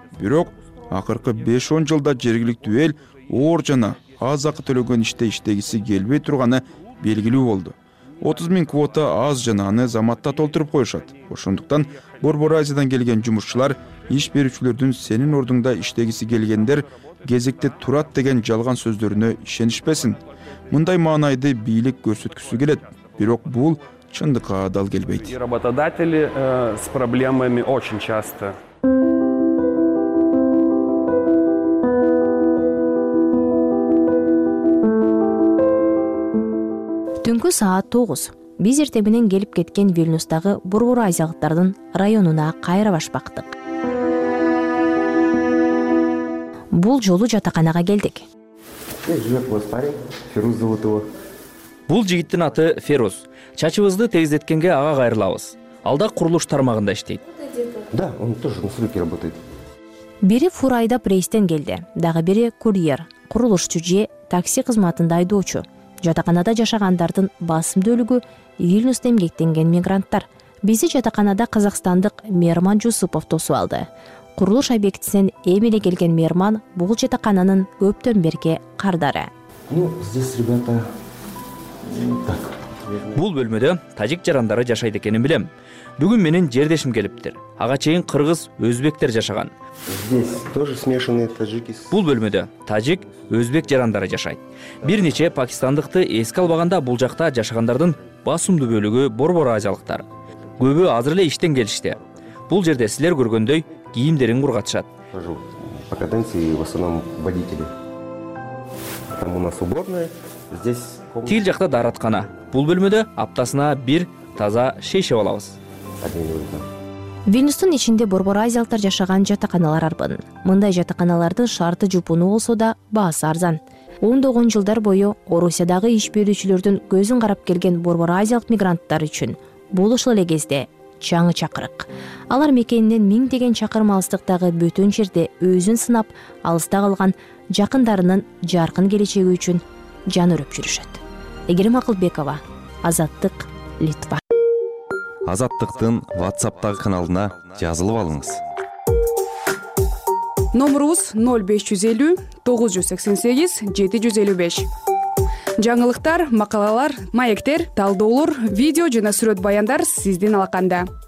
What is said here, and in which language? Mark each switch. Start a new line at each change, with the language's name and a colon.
Kyrgyz: Бирок акыркы 5-10 жылда жергиликтүү эл оор жана аз акы төлөгөн иште иштегиси келбей турганы белгилүү болду. 30 000 квота аз жана аны заматта толтуруп коюшат. Ошондуктан Борбор Азиядан келген жумушчулар иш берүүчүлөрдүн сенин ордуңда иштегиси келгендер кезекте турат деген жалган сөздөрүнө ишенишпесин. Мындай маанайды бийлик көрсөткүсү келет, бирок бул чындыкка адал келбейт.
Russian: Работодатели с проблемами очень часто.
Kyrgyz: Түнкү саат 9. Биз эртеминен келип кеткен Вильнюстагы борбор азиялыктардын районуна кайра баш бактык. Бул жолу жатаканага келдик. Бул жигиттин аты Ферус. Чачыбызды тегиздеткенге ага кайрылабыз. Алда курулуш тармагында иштейт.
Russian: Да, он тоже на стройке работает.
Kyrgyz: Бири фур айдап рейстен келди. Дагы бири курьер, курулушчу же такси кызматында айдоочу. Жатаканада жашагандардын басым бөлүгү Вильнюсту эмгектенген мигранттар. Бизди жатаканада казакстандык Мерман Жусупов тосуп алды. Курулуш объектисинен эми эле келген Мерман бул жатакананын көптөн берки кардары.
Russian: Ну, здесь ребята. Так.
Kyrgyz: Бул бөлмөдө тажик жарандары жашайт экенин билем. Бүгүн менин жердешим келиптир. Ага чейин кыргыз, өзбектер жашаган.
Russian: Здесь тоже смешанные таджики.
Kyrgyz: Бул бөлмөдө тажик, өзбек жарандары жашайт. Бир нече пакистандыкты эске албаганда бул жакта жашагандардын басымдуу бөлүгү борбор азиялыктар. Көбү азыр эле иштен келишти. Бул жерде силер көргөндөй кийимдерин кургатышат.
Russian: По каденции в основном водители. Там у нас уборная. Здесь
Kyrgyz: комната. Тил жакта дараткана. Бул бөлмөдө аптасына бир таза шейшеп алабыз. Вильнюстун ичинде борбор азиялыктар жашаган жатаканалар арбын. Мындай жатаканалардын шарты жупуну болсо да баасы арзан. Ондогон жылдар бою Орусиядагы иш берүүчүлөрдүн көзүн карап келген борбор азиялык мигранттар үчүн бул ошол эле кезде жаңы чакырык. Алар мекенинен миңдеген чакырым алыстыктагы бөтөн жерде өзүн сынап, алыста калган жакындарынын жаркын келечеги үчүн жан өрүп жүрүшөт. Эгерим Акылбекова, Азаттык, Литва. Азаттыктын WhatsApp-тагы каналына жазылып алыңыз. Номерубуз 0550 988 755. Жаңылыктар, макалалар, маектер, талдоолор, видео жана сүрөт баяндар сиздин алаканда.